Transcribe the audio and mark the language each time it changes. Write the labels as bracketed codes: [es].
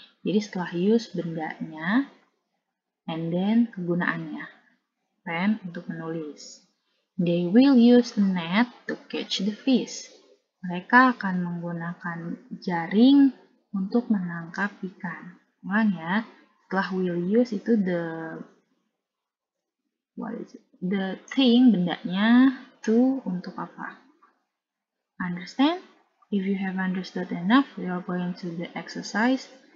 [id] Jadi setelah use bendanya, [en] and then [id] kegunaannya. Pen untuk menulis. [en] They will use a net to catch the fish. [id] Mereka akan menggunakan jaring untuk menangkap ikan. Ulang ya. [en] setelah will use itu the what is it? The thing, bendanya, to, [id] untuk apa? [en] Understand? If you have understood enough, we are going to the exercise.